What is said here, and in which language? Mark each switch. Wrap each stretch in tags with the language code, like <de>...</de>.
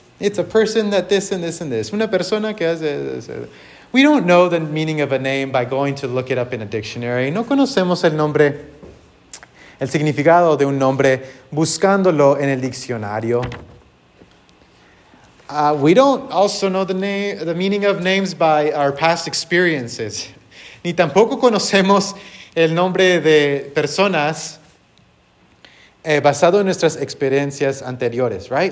<en>It's a person that this and this and this.</en> <es>Una persona que hace</es> <en>this. We don't know the meaning of a name by going to look it up in a dictionary.</en> <es>No conocemos el nombre, el significado de un nombre, buscándolo en el diccionario.</es> <en>We don't also know the meaning of names by our past experiences.</en> <es>Ni tampoco conocemos el nombre de personas basado en nuestras experiencias anteriores, right?</es>